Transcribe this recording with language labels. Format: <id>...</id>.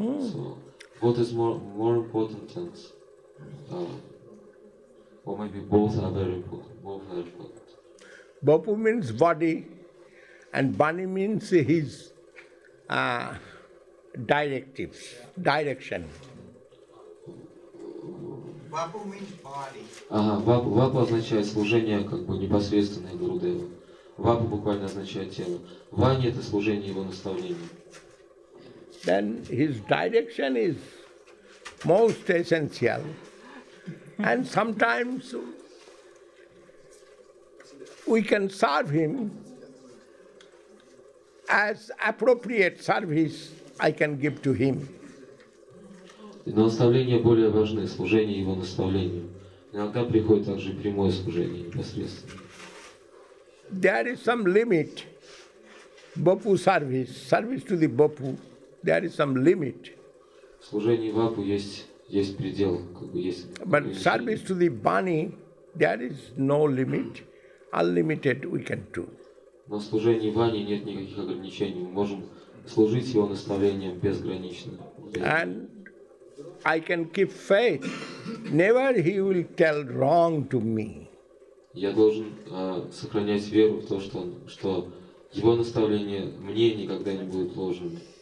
<en>So, what is more important than or maybe both are very important. Bapu means body and Bani means his directives, direction.</en> <ru>Вапу означает служение как бы непосредственное Гуру Деву. Вапу буквально означает тело. Вани — это служение его наставлению.</ru> <en>Then his direction is most essential. And sometimes we can serve him as appropriate service I can give to him.</en> <ru>Но наставления более важны, служение его наставлению. Иногда приходит также прямое служение непосредственно.</ru> <en>There is some limit. Bapu service to the Bapu, there is some limit.</en> <ru>Служение Вапу есть предел, как бы есть.</ru> <en>But service to the Bani, there is no limit. Unlimited we can do.</en> <ru>Но служение Вани нет никаких ограничений. Мы можем служить его наставлением безгранично.</ru> <en>And I can keep faith. Never he will tell wrong to me.</en> <ru>Я должен сохранять веру в то, что его наставление мне никогда не будет ложным.</ru>